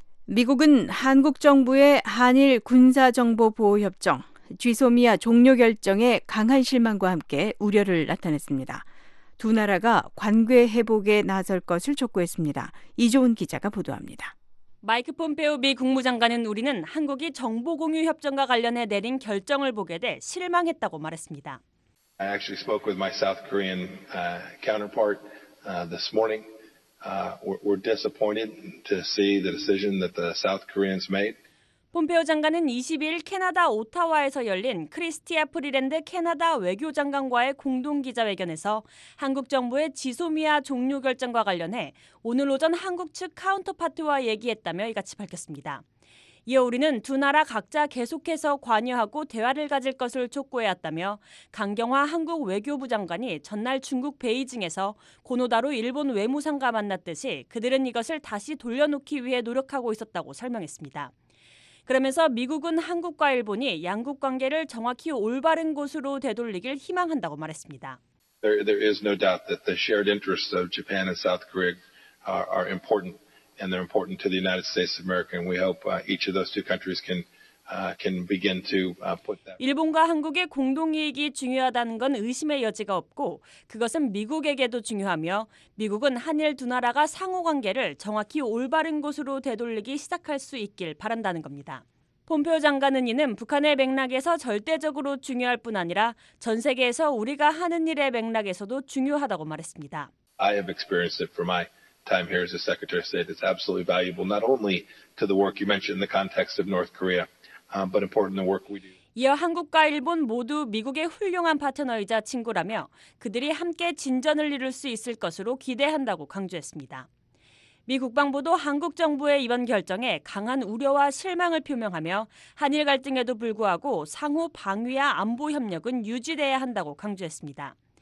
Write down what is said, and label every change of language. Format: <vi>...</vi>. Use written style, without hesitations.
<ko>미국은 한국 정부의 한일 군사정보보호협정, 지소미아 종료 결정에 강한 실망과 함께 우려를 나타냈습니다. 두 나라가 관계 회복에 나설 것을 촉구했습니다. 이조은 기자가 보도합니다. 마이크 폼페오 미 국무장관은 우리는 한국이 정보공유협정과 관련해 내린 결정을 보게 돼 실망했다고 말했습니다.</ko> <en>I actually spoke with my South Korean counterpart this morning. We're disappointed to see the decision that the South Koreans made.</en> <ko>폼페오 장관은 22일 캐나다 오타와에서 열린 크리스티아 프리랜드 캐나다 외교장관과의 공동기자회견에서 한국 정부의 지소미아 종료 결정과 관련해 오늘 오전 한국 측 카운터파트와 얘기했다며 이같이 밝혔습니다. 이어 우리는 두 나라 각자 계속해서 관여하고 대화를 가질 것을 촉구해왔다며 강경화 한국 외교부 장관이 전날 중국 베이징에서 고노다로 일본 외무상과 만났듯이 그들은 이것을 다시 돌려놓기 위해 노력하고 있었다고 설명했습니다. 그러면서 미국은 한국과 일본이 양국 관계를 정확히 올바른 곳으로 되돌리길 희망한다고 말했습니다.</ko> <en>There is no doubt that the shared interests of Japan and South Korea are important, and they're important to the United States of America. And we hope each of those two countries can begin to put that.</en> <ko>일본과 한국의 공동 이익이 중요하다는 건 의심의 여지가 없고 그것은 미국에게도 중요하며 미국은 한일 두 나라가 상호 관계를 정확히 올바른 곳으로 되돌리기 시작할 수 있길 바란다는 겁니다. 폼페오 장관은 이는 북한의 맥락에서 절대적으로 중요할 뿐 아니라 전 세계에서 우리가 하는 일의 맥락에서도 중요하다고 말했습니다.</ko> <en>I have experienced it for my time here as a Secretary of State. It's absolutely valuable not only to the work you mentioned in the context of North Korea. But important the work we do.</en> <ko>이어 한국과 일본 모두 미국의 훌륭한 파트너이자 친구라며 그들이 함께 진전을 이룰 수 있을 것으로 기대한다고 강조했습니다. 미 국방부도 한국 정부의 이번 결정에 강한 우려와 실망을 표명하며 한일 갈등에도 불구하고 상호 방위와 안보 협력은 유지돼야 한다고 강조했습니다.</ko>